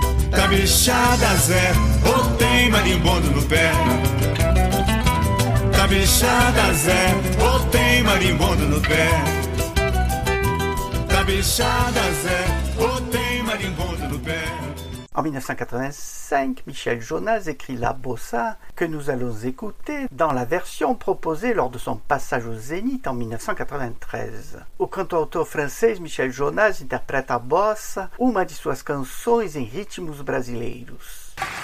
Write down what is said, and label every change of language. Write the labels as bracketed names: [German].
[Portuguese] Tá bichada Zé, ou tem marimbondo no pé. Tá bichada Zé, ou tem marimbondo no pé. Tá bichada Zé, ou tem marimbondo no pé. [French] En 1985, Michel Jonas écrit La Bossa, que nous allons écouter dans la version proposée lors de son passage au Zénith en 1993. [Portuguese] O cantautor francês Michel Jonas interprète a Bossa, uma de suas canções em ritmos brasileiros.